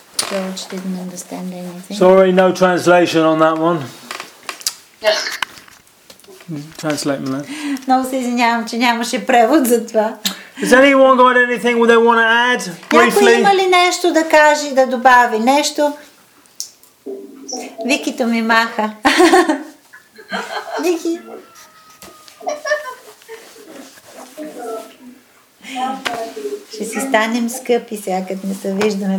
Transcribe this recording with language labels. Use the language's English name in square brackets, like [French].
[English] George didn't understand anything. Sorry, no translation on that one. Yes. Translate, Milan. [Bulgarian] No, се извинявам, че нямаше превод за това. [English] Has anyone got anything they want to add? Briefly? [Bulgarian] Някой има ли нещо да каже, да добави нещо? Викито ми маха. Вики. Ще си станем скъпи сега, като не се виждаме.